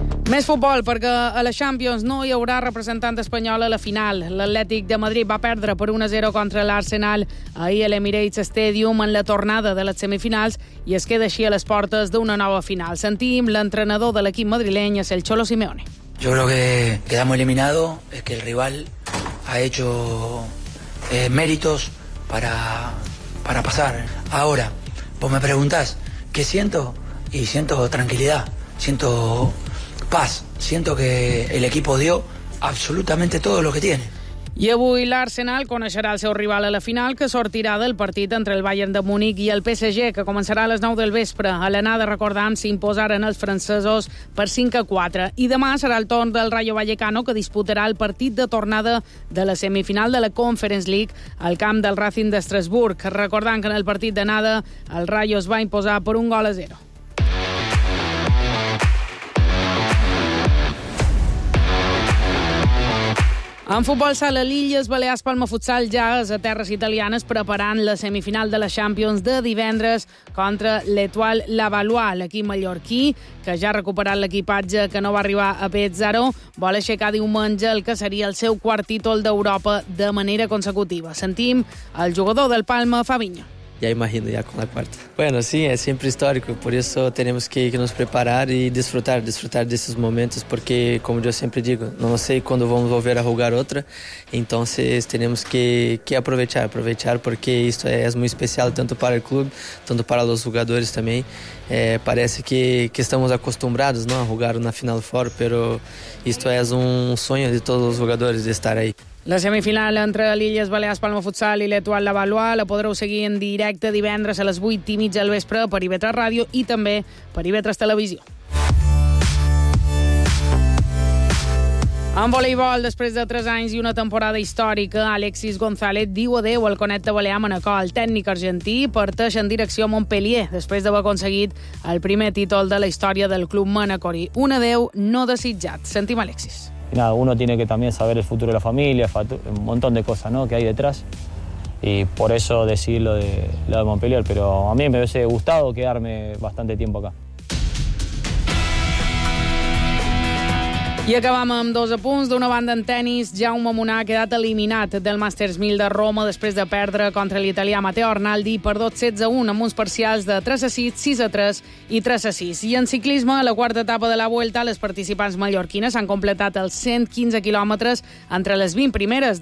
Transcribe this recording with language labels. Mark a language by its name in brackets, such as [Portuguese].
[Catalan] Més futbol, perquè a la Champions no hi haurà representant espanyol a la final. L'Atlètic de Madrid va perdre per 1-0 contra l'Arsenal ahir a l'Emirates Stadium en la tornada de les semifinals i es queda així a les portes d'una nova final. Sentim l'entrenador de l'equip madrileny, el Cholo Simeone. [Spanish] Yo creo que quedamos eliminados, es que el rival ha hecho méritos para pasar. Ahora, vos me preguntás, ¿qué siento? Y siento tranquilidad, siento paz. Siento que el equipo dio absolutamente todo lo que tiene. [Catalan] I avui l'Arsenal coneixerà el seu rival a la final, que sortirà del partit entre el Bayern de Múnich i el PSG, que començarà a les 9 del vespre. A l'anada, recordant, s'imposaren els francesos per 5-4. I demà serà el torn del Rayo Vallecano, que disputarà el partit de tornada de la semifinal de la Conference League al camp del Racing d'Estrasburg, recordant que en el partit d'anada el Rayo es va imposar per 1-0. En futbol sala, l'Illes Balears Palma Futsal ja és a terres italianes preparant la semifinal de la Champions de divendres contra l'Étoile Lavalois. L'equip mallorquí, que ja ha recuperat l'equipatge que no va arribar a Pézzaro, vol aixecar diumenge el que seria el seu quart títol d'Europa de manera consecutiva. Sentim el jugador del Palma, Fabinho. [Spanish] Ya imagino ya con la cuarta. Bueno, sí, es siempre histórico, por eso tenemos que nos preparar y disfrutar de esos momentos, porque como yo siempre digo, no sé cuándo vamos a volver a jugar otra, entonces tenemos que aprovechar porque esto es muy especial tanto para el club, tanto para los jugadores también. Parece que estamos acostumbrados, ¿no?, a jugar una final fuera, pero esto es un sueño de todos los jugadores de estar ahí. [Catalan] La semifinal entre l'Illes Balears Palma Futsal i l'Étoile Lavalois la podreu seguir en directe divendres a les 8:30 al vespre per IB3 Ràdio i també per IB3 Televisió. En voleibol, després de 3 anys i una temporada històrica, Alexis González diu adéu al Conecta Balear Manacor. El tècnic argentí parteix en direcció a Montpellier després d'haver aconseguit el primer títol de la història del club manacorí. Un adéu no desitjat. Sentim Alexis. [Spanish] Y nada, uno tiene que también saber el futuro de la familia, un montón de cosas, ¿no?, que hay detrás. Y por eso decidí lo de Montpellier, pero a mí me hubiese gustado quedarme bastante tiempo acá. [Catalan] I acabam amb dos apunts. D'una banda, en tenis, Jaume Munar ha quedat eliminat del Masters 1000 de Roma després de perdre contra l'italià Matteo Arnaldi per 2-16-1 amb uns parcials de 3-6, 6-3 i 3-6. I en ciclisme, a la quarta etapa de la Vuelta, les participants mallorquines han completat els 115 quilòmetres entre les 20 primeres.